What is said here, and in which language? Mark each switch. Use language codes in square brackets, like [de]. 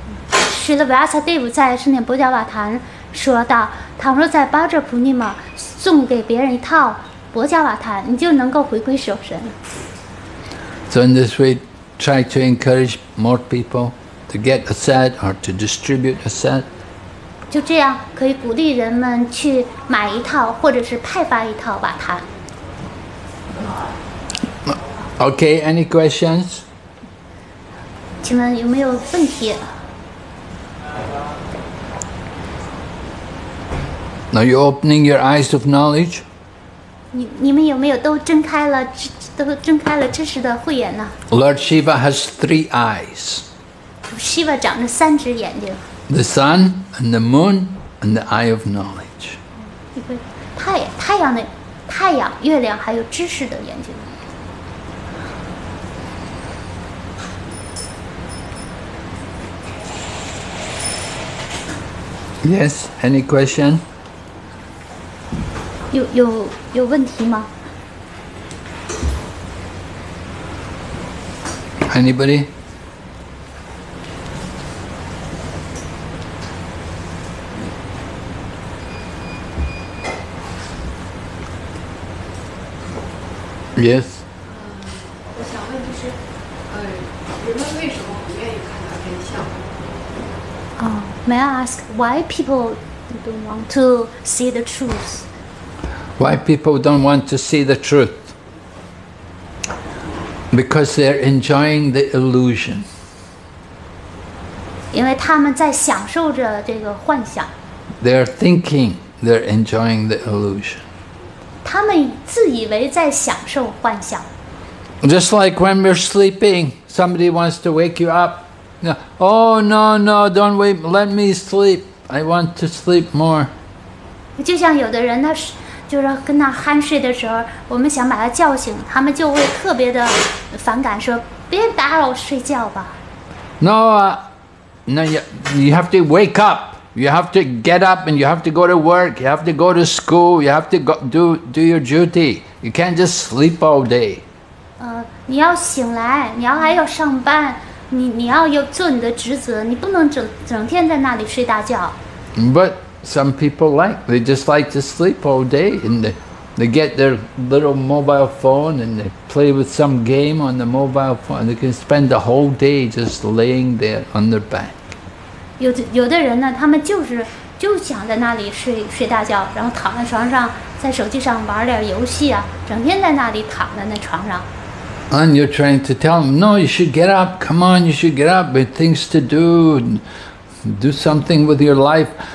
[zh] Srila Vyasadeva 在圣殿布加瓦塔说到，倘若在 Bhadra Purnima 送给别人一套布加瓦塔，你就能够回归守神。 [en] So in this way, try to encourage more people to get a set or to distribute a set. [zh] 就这样，可以鼓励人们去买一套，或者是派发一套瓦塔。 [en] Okay, any questions? [zh] 请问有没有问题？ [en] Now you're opening your eyes of knowledge. [zh] 你们有没有都睁开了？都睁开了知识的慧眼呢。 [en] Lord Shiva has three eyes. [zh] Shiva 长着三只眼睛。 [en] The sun and the moon and the eye of knowledge. [zh] 太阳、月亮还有知识的眼睛。 [en] Yes, any question? [zh] 有问题吗？ [en] Anybody? Yes. [zh] 我想问就是，人们为什么不愿意看到真相？ [en] Oh, may I ask why people don't want to see the truth? Why people don't want to see the truth? Because they're enjoying the illusion. 因为他们在享受着这个幻想。 They're thinking they're enjoying the illusion. 他们自以为在享受幻想。 Just like when we're sleeping, somebody wants to wake you up. Oh, no, no, don't wake, let me sleep. I want to sleep more. [zh] 就像有的人呢就是跟他酣睡的时候，我们想把他叫醒，他们就会特别的反感，说：“别打扰我睡觉吧。” [en] No, no, you have to wake up. You have to get up, and you have to go to work. You have to go to school. You have to do your duty. You can't just sleep all day. [zh] 你要醒来，你要还要上班，你要有做你的职责，你不能整天在那里睡大觉。 [en] But some people they just like to sleep all day, and they get their little mobile phone and they play with some game on the mobile phone, and they can spend the whole day just laying there on their back. [zh] 有的人呢，他们就想在那里睡大觉，然后躺在床上，在手机上玩点游戏啊，整天在那里躺在那床上。 [en] And you're trying to tell them, no, you should get up, come on, you should get up, with things to do, do something with your life.